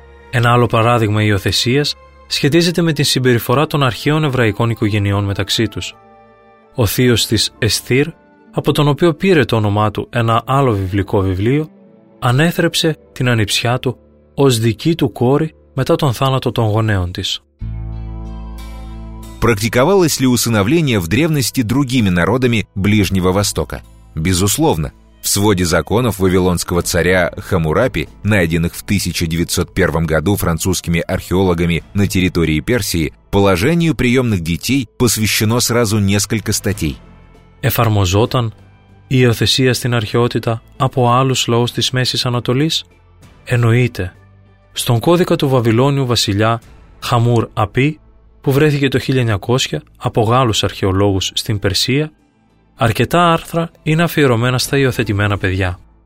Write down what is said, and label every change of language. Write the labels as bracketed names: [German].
[Greek] Ένα άλλο παράδειγμα υιοθεσίας σχετίζεται με την συμπεριφορά των αρχαίων εβραϊκών οικογενειών μεταξύ τους. Ο θείος της Εσθήρ, από τον οποίο πήρε το όνομά του ένα άλλο βιβλικό βιβλίο, ανέθρεψε την ανιψιά του ως δική του κόρη μετά τον θάνατο των γονέων της. [Russian] Практиковалось ли усыновление в древности другими народами Ближнего Востока? Безусловно. В своде законов вавилонского царя Хаммурапи, найденных в 1901 году французскими археологами на территории Персии, положению приемных детей посвящено сразу несколько статей. [Greek] Εφαρμοζόταν η υιοθεσία στην αρχαιότητα από άλλους λαούς της Μέσης Ανατολής? Εννοείται. Στον κώδικα του Βαβυλώνιου βασιλιά Χαμουράπι, που βρέθηκε το 1900 από Γάλλους αρχαιολόγους στην Περσία, αρκετά άρθρα είναι αφιερωμένα στα υιοθετημένα παιδιά.